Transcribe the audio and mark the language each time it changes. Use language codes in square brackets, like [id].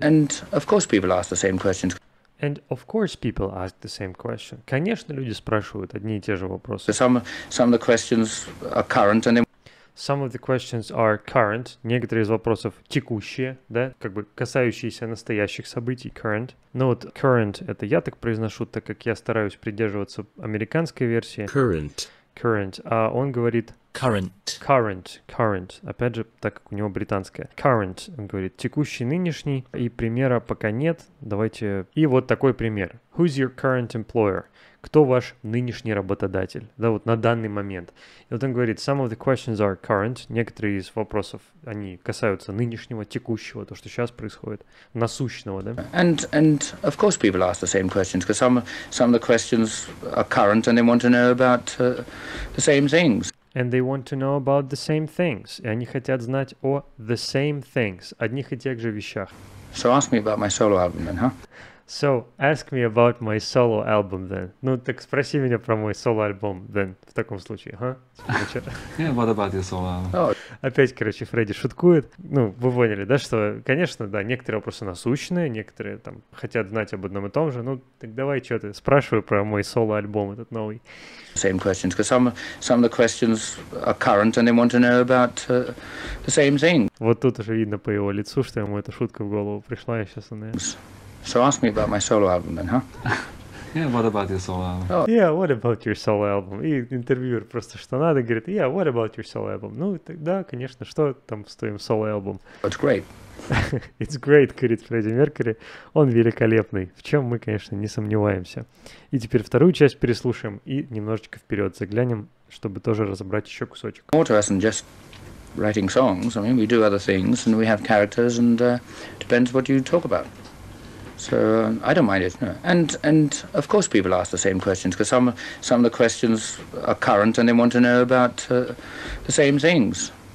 [en] And of course people ask the same questions. And of course people ask the same question. [ru] Конечно, люди спрашивают одни и те же вопросы. [en] Some of the questions are current and then... Some of the questions are current. [ru] Некоторые из вопросов текущие, да, как бы касающиеся настоящих событий, current. Но вот current — это я так произношу, так как я стараюсь придерживаться американской версии. [en] Current. [ru] Current. А он говорит... [en] Current. Current. Current. [ru] Опять же, так как у него британская. [en] Current. [ru] Он говорит, текущий, нынешний. И примера пока нет. Давайте... И вот такой пример. [en] Who's your current employer? [ru] Кто ваш нынешний работодатель? Да, вот на данный момент. И вот он говорит, [en] some of the questions are current. [ru] Некоторые из вопросов, они касаются нынешнего, текущего, то, что сейчас происходит, насущного, да? [en] And of course, people ask the same questions, because some of the questions are current, and they want to know about the same things. And they want to know about the same things. [ru] И они хотят знать о [en] the same things, [ru] одних и тех же вещах. [en] So ask me about my solo album then, huh? So ask me about my solo album then. [ru] Ну так спроси меня про мой [en] solo album then, [ru] в таком случае, [en] huh? Yeah, what about your solo album? [ru] Опять, короче, Фредди шуткует. Ну, вы поняли, да, что, конечно, да, некоторые вопросы насущные, некоторые там хотят знать об одном и том же. Ну, так давай, что ты, спрашивай про мой solo album этот новый. [en] Same questions, because some of the questions are current and they want to know about the same thing. [ru] Вот тут уже видно по его лицу, что ему эта шутка в голову пришла, и сейчас она... [en] So ask me about my solo album then, huh? Yeah, what about your solo album? Oh. Yeah, what about your solo album? [ru] И интервьюер просто что надо, говорит, [en] yeah, what about your solo album? [ru] Ну, тогда, конечно, что там с твоим solo album? [en] It's great. It's great, [ru] говорит Фредди Меркьюри. Он великолепный, в чем мы, конечно, не сомневаемся. И теперь вторую часть переслушаем и немножечко вперед заглянем, чтобы тоже разобрать еще кусочек. [en] More to us than just writing songs. I mean, we do other things and we have characters and depends what you talk about. So I don't mind it. No. And of course people ask the same questions, because some of the questions are current and they want to know about the same things.